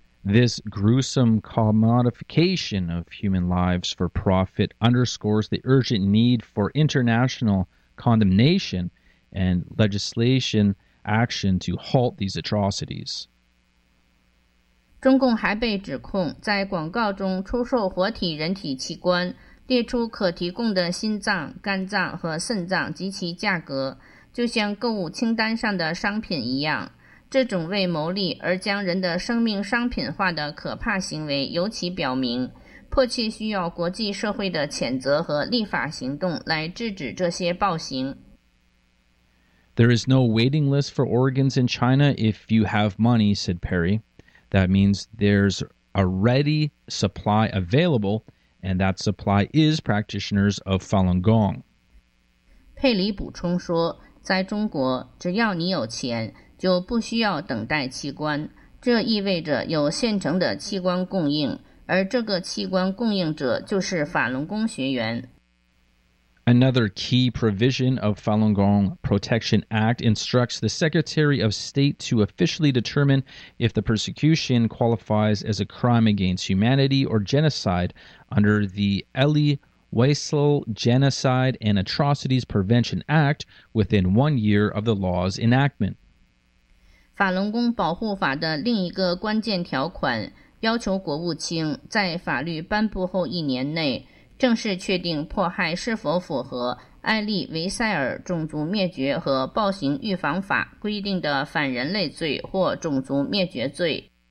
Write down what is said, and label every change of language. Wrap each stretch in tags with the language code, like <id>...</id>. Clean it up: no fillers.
<en>This gruesome commodification of human lives for profit underscores the urgent need for international condemnation and legislation action to halt these atrocities.</en> <zh>中共还被指控在广告中出售活体人体器官，列出可提供的心脏、肝脏和肾脏及其价格，就像购物清单上的商品一样。这种为牟利而将人的生命商品化的可怕行为尤其表明，迫切需要国际社会的谴责和立法行动来制止这些暴行。</zh> <en>There is no waiting list for organs in China if you have money, said Perry. That means there's a ready supply available, and that supply is practitioners of Falun Gong.</en> <zh>佩里补充说，在中国，只要你有钱，就不需要等待器官，这意味着有现成的器官供应，而这个器官供应者就是法轮功学员。</zh> <en>Another key provision of Falun Gong Protection Act instructs the Secretary of State to officially determine if the persecution qualifies as a crime against humanity or genocide under the Elie Wiesel Genocide and Atrocities Prevention Act within 1 year of the law's enactment.</en> <zh>法轮功保护法的另一个关键条款要求国务卿在法律颁布后一年内正式确定迫害是否符合艾利维塞尔种族灭绝和暴行预防法规定的反人类罪或种族灭绝罪。</zh>